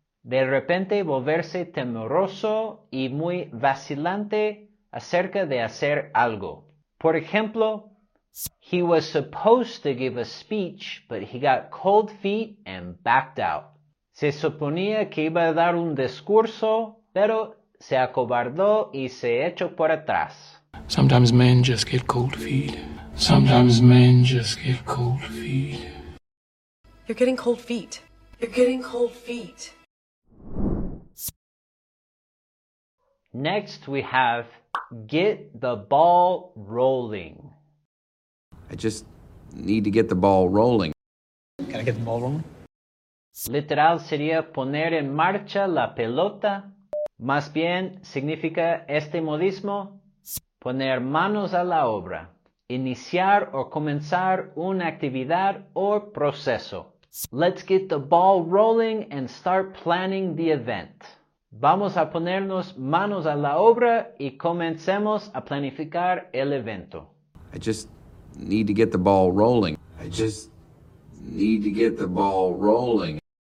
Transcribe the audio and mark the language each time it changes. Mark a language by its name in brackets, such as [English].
[Spanish] De repente volverse temeroso y muy vacilante acerca de hacer algo. Por ejemplo, [English] he was supposed to give a speech, but he got cold feet and backed out. [Spanish] Se suponía que iba a dar un discurso, pero se acobardó y se echó por atrás. [English] Sometimes men just get cold feet. Sometimes men just get cold feet. You're getting cold feet. You're getting cold feet. Next, we have get the ball rolling. I just need to get the ball rolling. Can I get the ball rolling? [Spanish] Literal sería poner en marcha la pelota. Más bien, significa este modismo, poner manos a la obra. Iniciar o comenzar una actividad o proceso. [English] Let's get the ball rolling and start planning the event. [Spanish] Vamos a ponernos manos a la obra y comencemos a planificar el evento. [English] I just need to get the ball rolling. I just need to get the ball rolling.